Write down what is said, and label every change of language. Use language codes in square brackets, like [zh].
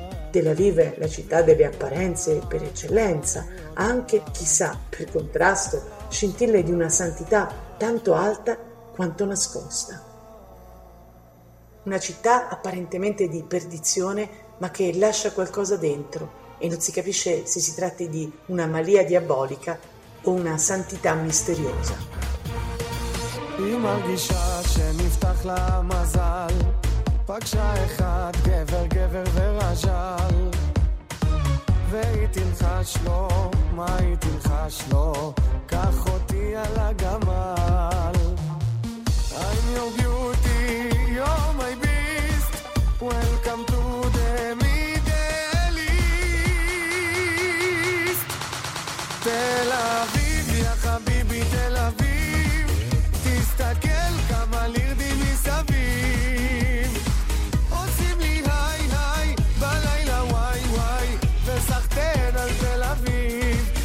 [it] Tel Aviv è la città delle apparenze per eccellenza, anche, chissà, per contrasto, scintille di una santità tanto alta quanto nascosta. Una città apparentemente di perdizione, ma che lascia qualcosa dentro, e non si capisce se si tratti di una malia diabolica o una santità misteriosa. [he] היא מרגישה שנפתח לה מזל, פגשה אחד גבר גבר ורז'ל, והיא תלחש לו, מה היא תלחש לו, קח אותי על הגמל. [en] I'm your beauty, you're my beast, welcome to the Middle East. [he] תל אביב, יא חביבי תל אביב, תסתכל כמה לירדים מסביב, עושים לי היי היי בלילה וואי וואי, וסחתן על תל אביב.